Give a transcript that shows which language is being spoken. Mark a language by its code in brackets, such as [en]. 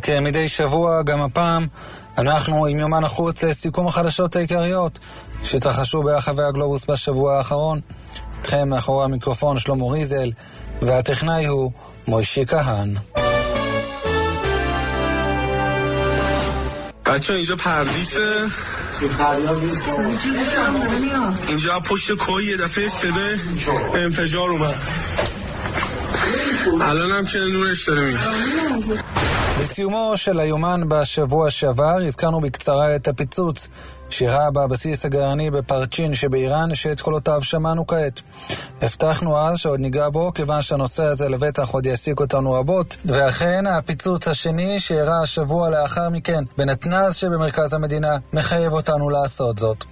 [he] כמדי שבוע גם הפעם אנחנו עם יומן החוץ לסיכום החדשות העיקריות שתרחשו ברחבי הגלובוס בשבוע האחרון. אתכם מאחורי המיקרופון שלמה ריזל, והטכנאי הוא מוישי כהן. [fa] بچه اینجا پردیسه اینجا پشت کوهی یه دفعه صدای انفجار اومد الان هم که نورش داره میگه. [he] בסיומו של היומן בשבוע שעבר הזכרנו בקצרה את הפיצוץ שירה בבסיס הגרעני בפרצ'ין שבאיראן, שאת קולותיו שמענו כעת. הבטחנו אז שעוד ניגע בו, כיוון שהנושא הזה לבטח עוד יעסיק אותנו רבות. ואכן הפיצוץ השני שירה השבוע לאחר מכן בנתנז שבמרכז המדינה מחייב אותנו לעשות זאת.